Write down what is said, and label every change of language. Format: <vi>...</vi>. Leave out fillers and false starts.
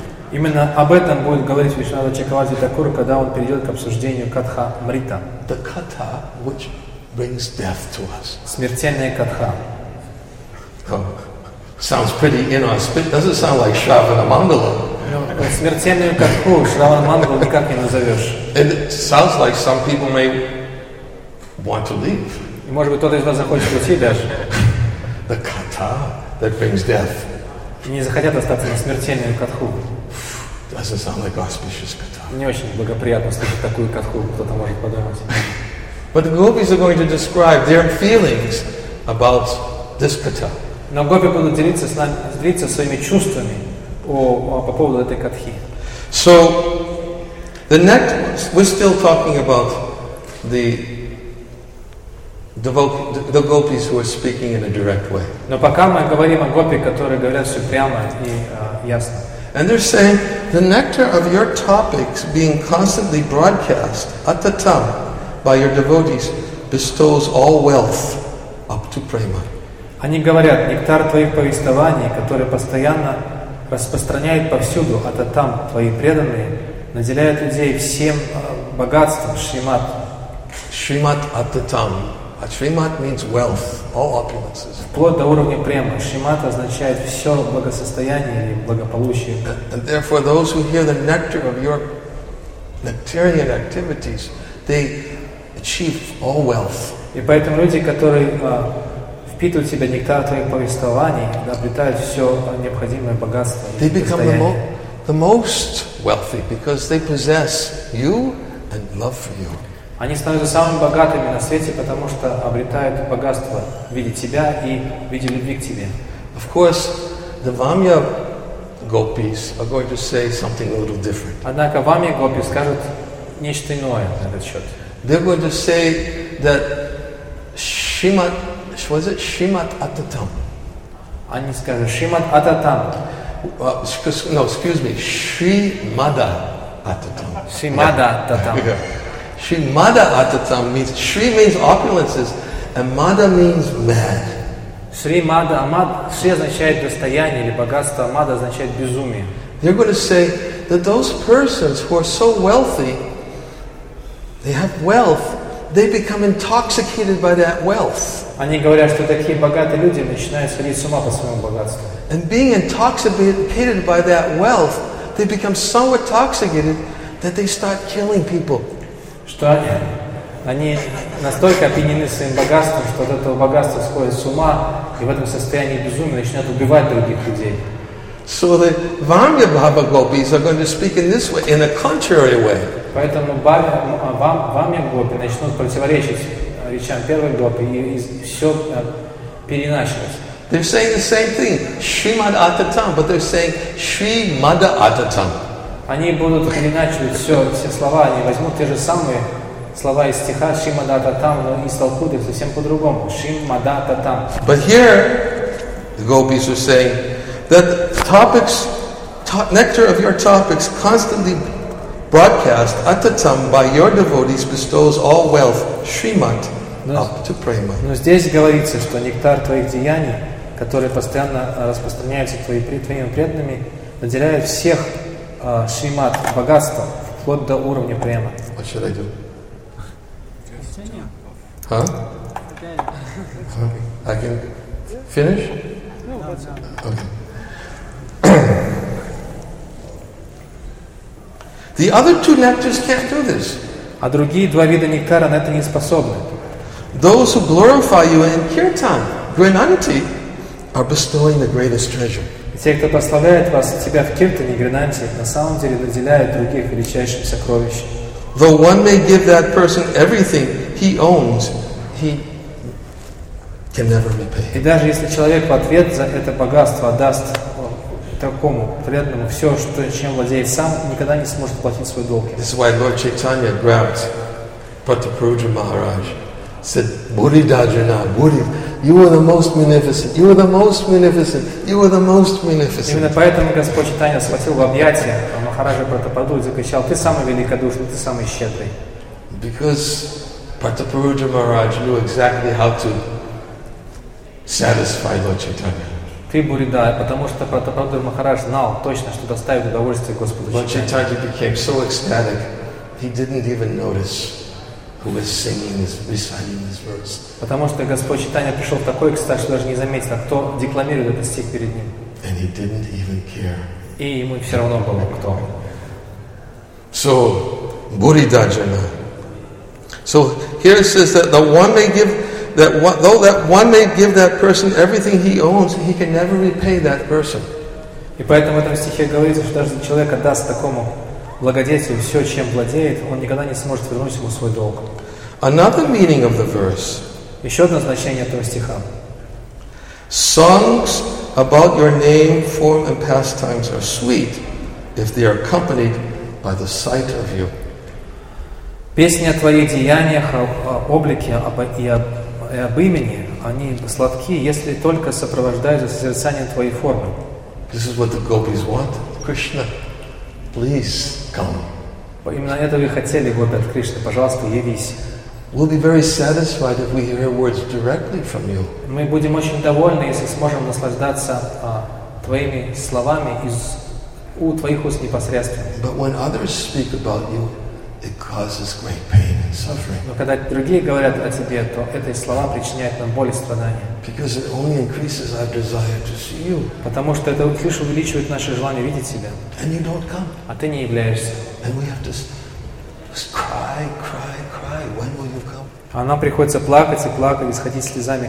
<ru>Именно об этом будет говорить Вишнава Чакравати Такур, когда он перейдет к обсуждению катхамрита.</ru> <en>The kata which brings death to us.</en> <ru>Смертельная катха.</ru> <en>Oh, sounds pretty inauspicious. Doesn't sound like Shravana Mangala.</en> <ru>Смертельную катху Шравана Мангала никак не назовешь.</ru> <en>It sounds like some people may want to leave.</en> <ru>И может быть кто-то из вас захочет уйти даже.</ru> <en>The kata that brings death.</en> <ru>Не захотят остаться на смертельную катху.</ru> <en>Doesn't sound like auspicious katha.</en> <ru>Не очень благоприятно слышать такую катху, кто-то может подумать.</ru> <en>But the gopis are going to describe their feelings about this katha.</en> <ru>Но гопи будут делиться с нами, делиться своими чувствами по поводу этой катхи.</ru> <en>So, the next, we're still talking about the the gopis who are speaking in a direct way.</en> <ru>Но пока мы говорим о гопи, которые говорят все прямо и ясно.</ru> <en>And they're saying the nectar of your topics being constantly broadcast at the tam by your devotees bestows all wealth up to prema.</en> <ru>Они говорят, нектар твоих повествований, который постоянно распространяет повсюду от там твои преданные, наделяет людей всем богатством шримат. Шримат от там. А шримат</ru> <en>means wealth, all opulences.</en> <ru>Вплоть до уровня према. Шримат означает все благосостояние и благополучие.</ru> <en>And therefore, those who hear the nectar of your nectarian activities, they achieve all wealth.</en> <ru>И поэтому люди, которые впитывают в себя нектар твоих повествований, обретают все необходимое богатство.</ru> <en>They become the most wealthy because they possess you and love for you.</en> <ru>Они становятся самыми богатыми на свете, потому что обретают богатство в виде тебя и в виде любви к тебе.</ru> <en>Of course, the Vamya gopis are going to say something a little different.</en> <ru>Однако Vamya gopis скажут нечто иное на этот счет.</ru> <en>They're going to say that Shrimat, was it Shrimat Atatam?</en> <ru>Они скажут Shrimat Atatam.</ru> <en>No, excuse me, Shrimada Atatam.</en> <ru>Shrimada Atatam.</ru> <en>Shri Mada Atatam means, Shri means opulences, and Mada means mad.</en> <ru>Shri Mada, Amad, Shri означает достояние или богатство, Мада означает безумие.</ru> <en>They're going to say that those persons who are so wealthy, they have wealth, they become intoxicated by that wealth.</en> <ru>Они говорят, что такие богатые люди начинают сходить с ума по своему богатству.</ru> <en>And being intoxicated by that wealth, they become so intoxicated that they start killing people.</en> <ru>Что они настолько опьянены своим богатством, что от этого богатства сходят с ума, и в этом состоянии безумия начинают убивать других людей.</ru> <en>So the Vamya Bhava Gopis are going to speak in this way, in a contrary way.</en> <ru>Поэтому Vamya Gopi начнут противоречить речам первой Гопи, и все переначивается.</ru> <en>They're saying the same thing, Shri Mada Atatam, but they're saying Shri Mada Atatam.</en> <ru>Они будут переначивать все слова, они возьмут те же самые слова из стиха Шри Мада Ататам, но и столкнут их совсем по-другому. Шри Мада Ататам.</ru> <en>But here, the gopis are saying that topics, nectar of your topics constantly broadcast, Ататам by your devotees bestows all wealth, Shri Мад, up to Prema.</en> <ru>Но здесь говорится, что нектар твоих деяний, которые постоянно распространяются твоими преданными, наделяет всех Шримат, богатство, вплоть до уровня према.</ru> <en>What should I do? Huh? I can finish? Okay. The other two nectars can't do this.</en> <ru>А другие два вида нектара на это не способны.</ru> <en>Those who glorify you in kirtan, grananti, are bestowing the greatest treasure.</en> <ru>Те, кто прославляет вас, тебя в киртане, гренанте, на самом деле наделяют других величайшим сокровищем.</ru> <en>Though one may give that person everything he owns, he can never repay.</en> <ru>И даже если человек в ответ за это богатство отдаст такому преданному все, что чем владеет сам, никогда не сможет платить свой долг.</ru> <en>This is why Lord Chaitanya grabbed Pataprabhu Maharaj, said, "Buddhi Dajana, Buddhi." You are the most magnificent. You are the most magnificent. You are the most magnificent.</en> <ru>Именно поэтому Господь Чайтанья схватил в объятия Махараджа Пратападу и закричал: "Ты самый великодушный, ты самый щедрый."</ru> <en>Because Pratapuruja Maharaj knew exactly how to satisfy Lord Chaitanya.</en> <ru>Ты Буридда, потому что Пратападу Махарадж знал точно, что доставит удовольствие Господу Чайтанье.</ru> <en>Lord Chaitanya became so ecstatic, he didn't even notice who was singing this, reciting this verse.</en> <ru>Потому что Господь Чайтанья пришел в такой экстаз, что даже не заметил, кто декламирует этот стих перед ним.</ru> <en>And he didn't even care.</en> <ru>И ему все равно было, кто.</ru> <en>So, Buridajana. So here it says that the one may give that one, though that one may give that person everything he owns, he can never repay that person.</en> <ru>И поэтому в этом стихе говорится, что даже человек отдаст такому благодетель все, чем владеет, он никогда не сможет вернуть ему свой долг.</ru> <en>Another meaning of the verse.</en> <ru>Еще одно значение этого стиха.</ru> <en>Songs about your name, form, and pastimes are sweet if they are accompanied by the sight of you.</en> <ru>Песни о твоих деяниях, о облике и об имени, они сладки, если только сопровождаются созерцанием твоей формы.</ru> <en>This is what the gopis want, Krishna. Please come.</en> <ru>Именно этого и хотели гопи от Кришны. Пожалуйста, явись.</ru> <en>We'll be very satisfied if we hear words directly from you.</en> <ru>Мы будем очень довольны, если сможем наслаждаться твоими словами из у твоих уст непосредственно.</ru> <en>But when others speak about you, it causes great pain and suffering.</en> <ru>Но когда другие говорят о тебе, то эти слова причиняют нам боль и страдания.</ru> <en>Because it only increases our desire to see you.</en> <ru>Потому что это лишь увеличивает наше желание видеть тебя.</ru> <en>And you don't come.</en> <ru>А ты не являешься.</ru> <en>And we have to cry, cry, cry. When will you come?</en> <ru>А нам приходится плакать и плакать, исходить слезами.</ru>